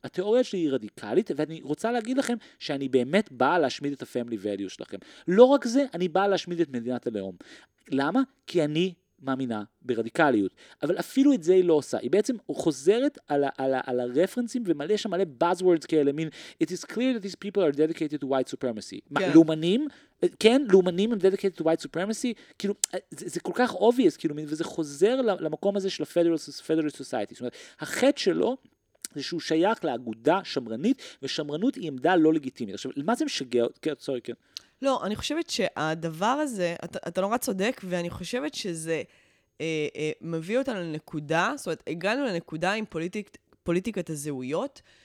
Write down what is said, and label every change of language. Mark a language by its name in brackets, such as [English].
[Hebrew] התיאוריה שלי היא רדיקלית, ואני רוצה להגיד לכם שאני באמת באה להשמיד את ה- [English] family value [Hebrew] שלכם. לא רק זה, אני באה להשמיד את מדינת הלאום. למה? כי אני מאמינה ברדיקליות. אבל אפילו את זה היא לא עושה. היא בעצם חוזרת על, על, על, על הרפרנסים ומלא שם מלא buzzwords כאלה, מין, [English] it is clear that these people are dedicated to white supremacy. [Hebrew] כן. לאומנים? כן, לאומנים הם [English] dedicated to white supremacy? [Hebrew] כאילו, זה כל כך obvious, כאילו, מין, וזה חוזר למקום הזה של ה-Federal Society. זאת אומרת, החטא שלו זה שהוא שייך לאגודה שמרנית, ושמרנות היא עמדה לא לגיטימית. עכשיו, מה זה משגע? כן, סורי, כן. לא, אני חושבת שהדבר הזה, אתה נורא צודק, ואני חושבת שזה מביא אותנו לנקודה, זאת אומרת, הגענו לנקודה עם פוליטיקת הזהויות,